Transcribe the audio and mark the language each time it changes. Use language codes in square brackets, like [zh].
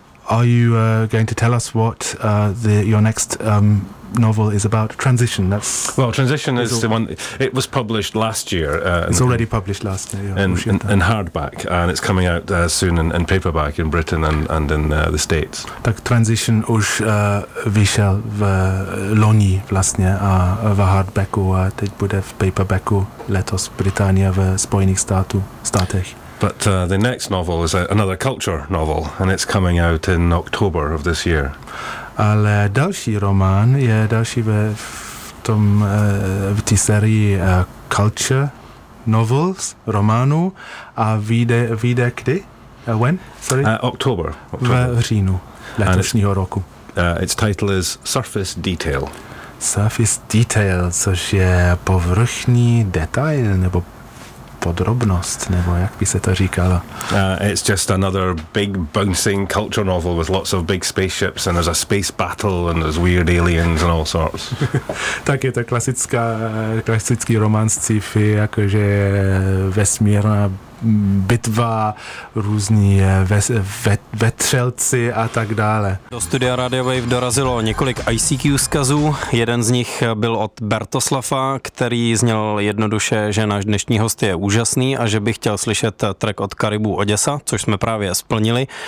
[en] Are you going to tell us what your next novel is about? Transition. Transition is the one. It was published last year. It's already published last year. In hardback, and it's coming out soon in paperback in Britain and in the States. [cs] Tak Transition už vyšel v loni vlastně a v hardbacku, a teď bude v paperbacku letos v Británii, v Spojených státech. [en] But the next novel is another culture novel, and it's coming out in October of this year. [cs] Ale další román je další ve tom v té sérii culture novels románů, a vyjde kdy? [en] When? Sorry. October. [cs] V říjnu letošního roku. [en] Its title is Surface Detail. [cs] Surface Detail, což je povrchní detail, nebo podrobnost, nebo jak by se to říkalo. [en] It's just another big bouncing culture novel with lots of big spaceships, and there's a space battle, and there's weird aliens and all sorts. [cs] Tak je to klasický román sci-fi, jakože vesmírná bitva, různí vetřelci a tak dále. Do studia Radio Wave dorazilo několik ICQ zkazů. Jeden z nich byl od Bertoslava, který zněl jednoduše, že náš dnešní host je úžasný a že by chtěl slyšet track od Karibu Oděsa, což jsme právě splnili.